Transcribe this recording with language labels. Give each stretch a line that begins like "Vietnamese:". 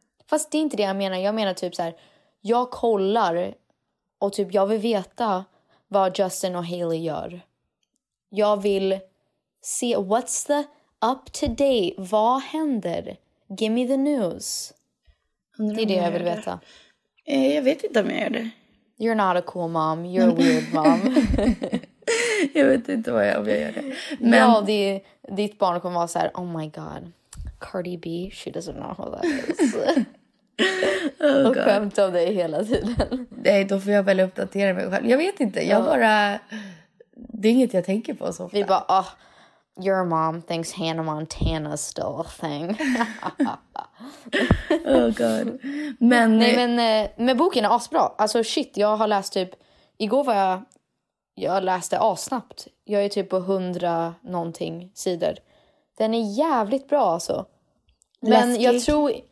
Swedish: Fast det är inte det jag menar. Jag menar typ så här... Jag kollar och typ jag vill veta vad Justin och Hailey gör. Jag vill se,
English: what's the up to date?
Swedish: Vad händer?
English: Give me the news.
Swedish: Det är det jag vill veta. Jag vet inte om jag gör det.
English: You're not a cool mom, you're a weird mom.
Swedish: Jag vet inte vad jag vill göra. Men... Ja, ditt barn kommer vara så här,
English: oh my god, Cardi B, she doesn't know who that is.
Swedish: Och skämt om dig hela tiden. Nej, då får jag väl uppdatera mig själv. Jag vet inte, jag bara... Det är inget jag tänker på så ofta. Vi bara,
English: Your mom thinks Hannah Montana's still a thing. Oh god.
Swedish: Men, nej, men med boken är asbra. Alltså shit, jag har läst typ... Igår var jag... Jag läste asnabbt. Jag är typ på 100-någonting sidor. Den är jävligt bra alltså. Men läskig. Jag tror...